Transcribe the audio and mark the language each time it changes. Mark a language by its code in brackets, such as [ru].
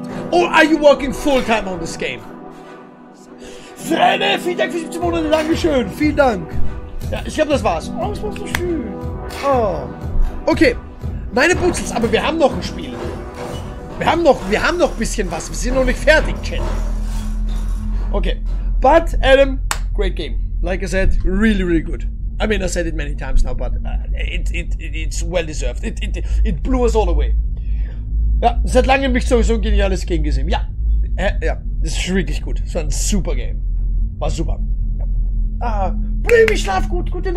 [en] Or are you working full-time on this game? [de] Frenne, vielen Dank für 17 Monate, Dankeschön, vielen Dank. Ja, ich glaube, das war's. Oh, es war so schön. Oh. Okay, meine Putzels, aber wir haben noch ein Spiel. Wir haben noch ein bisschen was. Wir sind noch nicht fertig, Chat. [en] Okay, but Adam, great game. Like I said, really, really good. I mean, I said it many times now, but it's well-deserved. It blew us all away. [de] Ja, seit langem mich sowieso ein geniales Game gesehen. Ja, ja, das ist wirklich gut. Das war ein super Game. War super. Ja. Ah, Blüm, ich schlaf gut. Gute Nacht.